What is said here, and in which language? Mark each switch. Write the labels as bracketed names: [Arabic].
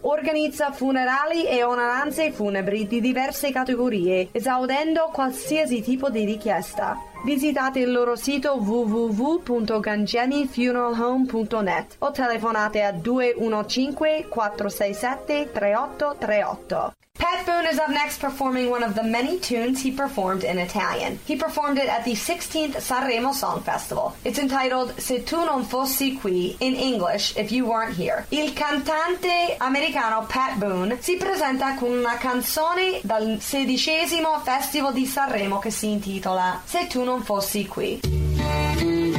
[Italian] organizza funerali e onoranze funebri di diverse categorie, esaudendo qualsiasi tipo di richiesta. Visitate il loro sito www.gangemifuneralhome.net o telefonate a 215-467-3838. [English] Pat Boone is up next performing one of the many tunes he performed in Italian. He performed it at the 16th Sanremo Song Festival. It's entitled Se Tu Non Fossi Qui in English, If You Weren't Here. [Italian] Il cantante americano Pat Boone si presenta con una canzone dal 16° Festival di Sanremo che si intitola Se Tu Non Fossi Qui.